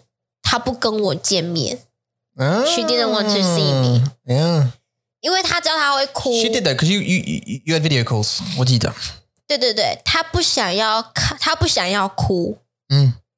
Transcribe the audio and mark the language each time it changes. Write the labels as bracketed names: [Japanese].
[Chinese] 哎呀，我们第一次去英国的前一天，她不跟我见面。 [English] She didn't want to see me. Yeah. [Chinese] 因为她知道她会哭。 [English] She did though, because you had video calls. [Chinese] 我记得。对对对，她不想要哭。嗯。